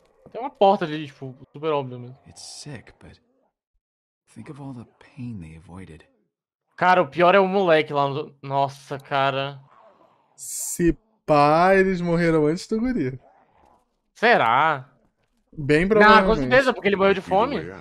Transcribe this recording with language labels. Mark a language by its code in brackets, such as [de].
[pt] Tem uma porta ali, tipo, super óbvio mesmo. [en] It's sick, but think of all the pain they avoided. [pt] Cara, o pior é o moleque lá no... Nossa, cara. Se pá, eles morreram antes do guri. Será? Bem provavelmente. Não, com certeza, porque ele morreu de fome.